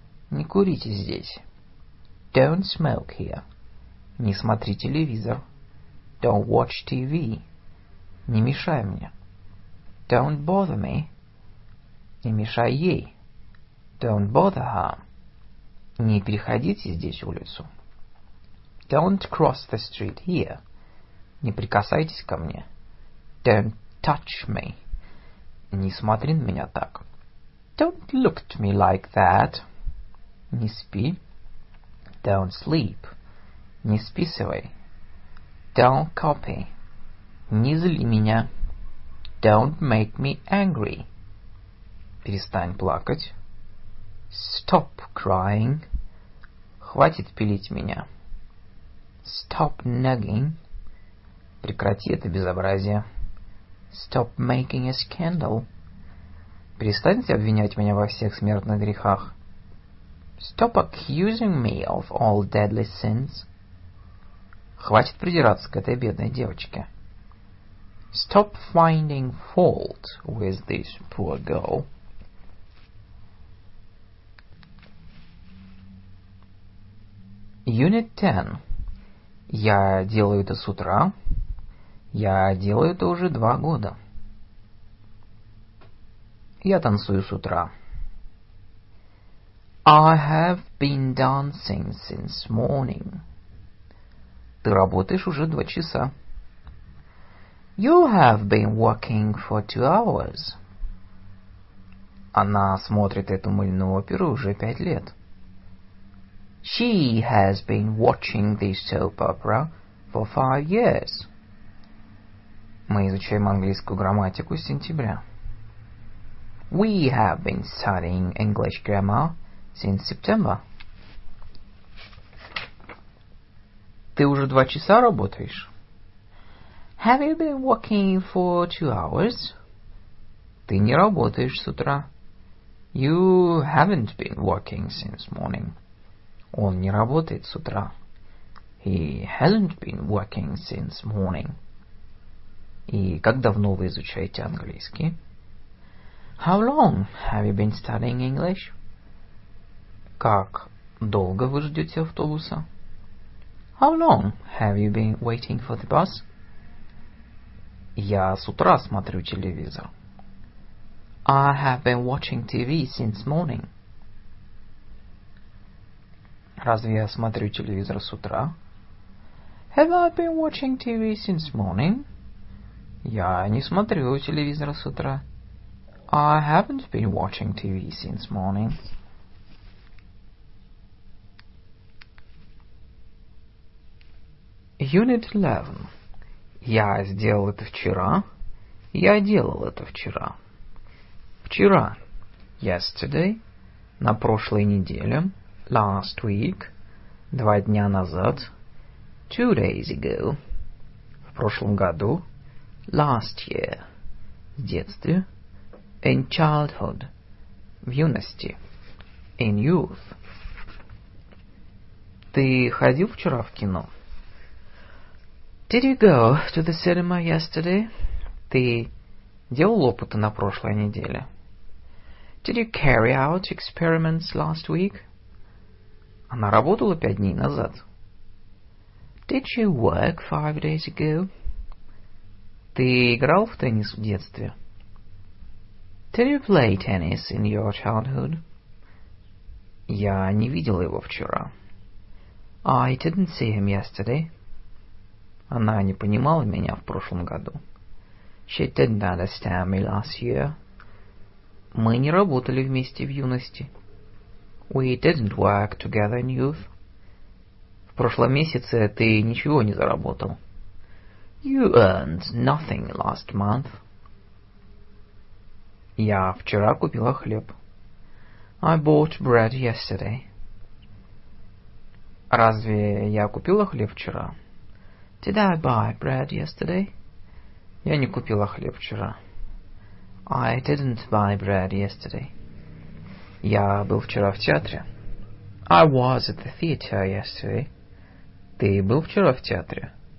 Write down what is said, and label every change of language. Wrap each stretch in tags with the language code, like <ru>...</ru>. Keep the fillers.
<ru>Не курите здесь.</ru> <en>Don't smoke here.</en> <ru>Не смотри телевизор.</ru> <en>Don't watch TV.</en> <ru>Не мешай мне.</ru> <en>Don't bother me.</en> <ru>Не мешай ей.</ru> <en>Don't bother her.</en> <ru>Не переходите здесь улицу.</ru> <en>Don't cross the street here.</en> <ru>Не прикасайтесь ко мне.</ru> <en>Don't touch me.</en> <ru>Не смотри на меня так.</ru> <en>Don't look at me like that.</en> <ru>Не спи.</ru> <en>Don't sleep.</en> <ru>Не списывай.</ru> <en>Don't copy.</en> <ru>Не зли меня.</ru> <en>Don't make me angry.</en> <ru>Перестань плакать.</ru> <en>Stop crying.</en> <ru>Хватит пилить меня.</ru> <en>Stop nagging.</en> <ru>Прекрати это безобразие.</ru> <en>Stop making a scandal.</en> <ru>Перестаньте обвинять меня во всех смертных грехах.</ru> <en>Stop accusing me of all deadly sins.</en> <ru>Хватит придираться к этой бедной девочке.</ru> <en>Stop finding fault with this poor girl.</en> <ru>Unit 10. Я делаю это с утра. Я делаю это уже два года. Я танцую с утра.</ru> <en>I have been dancing since morning.</en> <ru>Ты работаешь уже два часа.</ru> <en>You have been working for two hours.</en> <ru>Она смотрит эту мыльную оперу уже пять лет.</ru> <en>She has been watching this soap opera for five years.</en> <ru>Мы изучаем английскую грамматику с сентября.</ru> <en>We have been studying English grammar since September.</en> <ru>Ты уже два часа работаешь?</ru> <en>Have you been working for two hours?</en> <ru>Ты не работаешь с утра.</ru> <en>You haven't been working since morning.</en> <ru>Он не работает с утра.</ru> <en>He hasn't been working since morning.</en> <ru>И как давно вы изучаете английский?</ru> <en>How long have you been studying English?</en> <ru>Как долго вы ждете автобуса?</ru> <en>How long have you been waiting for the bus?</en> <ru>Я с утра смотрю телевизор.</ru> <en>I have been watching TV since morning.</en> <ru>Разве я смотрю телевизор с утра?</ru> <en>Have I been watching TV since morning?</en> <ru>Я не смотрю телевизор с утра.</ru> <en>I haven't been watching TV since morning.</en> <ru>Unit 11. Я сделал это вчера. Я делал это вчера. Вчера.</ru> <en>Yesterday.</en> <ru>На прошлой неделе.</ru> <en>Last week.</en> <ru>Два дня назад.</ru> <en>Two days ago.</en> <ru>В прошлом году.</ru> <en>Last year.</en> <ru>В детстве.</ru> <en>In childhood.</en> <ru>В юности.</ru> <en>In youth.</en> <ru>Ты ходил вчера в кино?</ru> <en>Did you go to the cinema yesterday?</en> <ru>Ты делал опыты на прошлой неделе?</ru> <en>Did you carry out experiments last week?</en> <ru>Она работала пять дней назад.</ru> <en>Did she work five days ago?</en> <ru>Ты играл в теннис в детстве?</ru> <en>Did you play tennis in your childhood?</en> <ru>Я не видел его вчера.</ru> <en>I didn't see him yesterday.</en> <ru>Она не понимала меня в прошлом году.</ru> <en>She didn't understand me last year.</en> <ru>Мы не работали вместе в юности.</ru> <en>We didn't work together in youth.</en> <ru>В прошлом месяце ты ничего не заработал.</ru> <en>You earned nothing last month.</en> <ru>Я вчера купила хлеб.</ru> <en>I bought bread yesterday.</en> <ru>Разве я купила хлеб вчера?</ru> <en>Did I buy bread yesterday?</en> <ru>Я не купила хлеб вчера.</ru> <en>I didn't buy bread yesterday.</en> <ru>Я был вчера в театре.</ru> <en>I was at the theater yesterday.</en> <ru>Ты был вчера в театре?</ru>